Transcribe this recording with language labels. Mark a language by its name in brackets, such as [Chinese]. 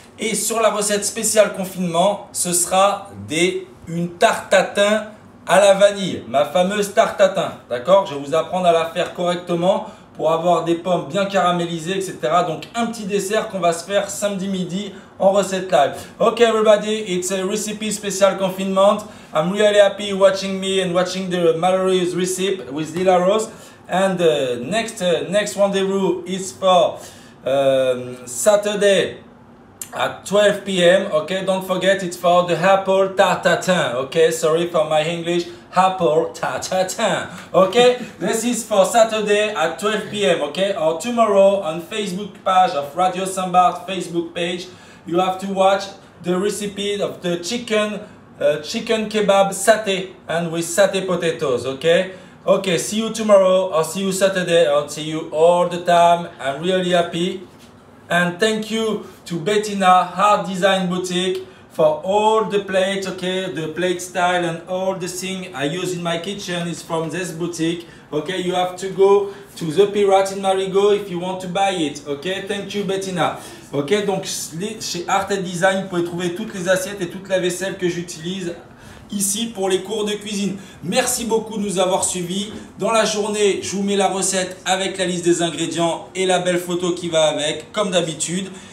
[French] Et sur la recette spéciale confinement, ce sera une tarte à thym à la vanille, ma fameuse tarte à thym, d'accord? Je vais vous apprendre à la faire correctement pour avoir des pommes bien caramélisées, etc. Donc, un petit dessert qu'on va se faire samedi midi en recette live. [English] Ok, everybody, it's a recipe [French] spécial confinement. [English] I'm really happy watching me and watching the Mallory's recipe with Lila Rose. And next rendezvous is for Saturday at 12 p.m. Okay, don't forget, it's for the apple tartatin. Okay, sorry for my English, apple tartatin. Okay, this is for Saturday at 12 p.m. Okay, or tomorrow on Facebook page of Radio Saint-Barth Facebook page, you have to watch the recipe of the chicken kebab satay and with satay potatoes. Okay. Okay, see you tomorrow, or see you Saturday, or see you all the time. I'm really happy. And thank you to Bettina Hard Design Boutique for all the plates, okay? The plate style and all the thing I use in my kitchen is from this boutique. Okay, you have to go to The Pirate in Marigot if you want to buy it. Okay, thank you Bettina. [French] Okay, donc chez Art & Design, vous pouvez trouver toutes les assiettes et toute la vaisselle que j'utilise ici pour les cours de cuisine. Merci beaucoup de nous avoir suivis. Dans la journée, je vous mets la recette avec la liste des ingrédients et la belle photo qui va avec, comme d'habitude.